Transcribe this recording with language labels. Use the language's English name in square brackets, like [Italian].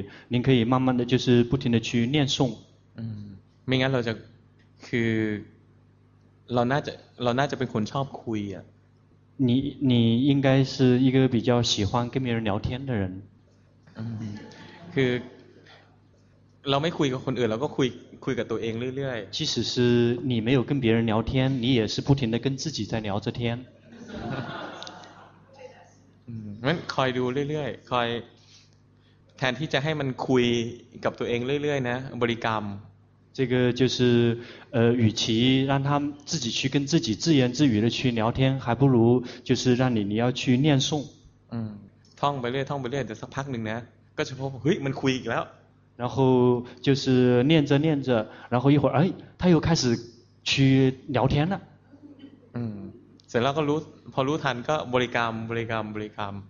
[Chinese] 您可以慢慢的就是不停的去念诵 [Thai] ไม่งั้นเราจะคือเราน่าจะเป็นคนชอบคุยอ่ะ [Chinese] 你应该是一个比较喜欢跟别人聊天的人 [Thai] คือเราไม่คุยกับคนอื่นเราก็คุยกับตัวเองเรื่อย [Chinese] ๆ即使是你没有跟别人聊天你也是不停的跟自己在聊着天 [Thai] งั้นคอยดูเรื่อยๆคอยแทนที่จะให้มันคุยกับตัวเองเรื่อยๆนะบริกรรม [Chinese] 这个就是与其让他自己去跟自己自言自语的去聊天还不如就是让你要去念诵 [Thai] ท่องไปเรื่อยท่องไปเรื่อยเดี๋ยวสักพักหนึ่งนะก็จะพบเฮ้ยมันคุยอีกแล้ว [Chinese] 然后就是念着念着然后一会儿哎他又开始去聊天了 [Thai] เสร็จแล้วก็รู้พอรู้ทันก็บริกรรมบริกรรมบริกรรม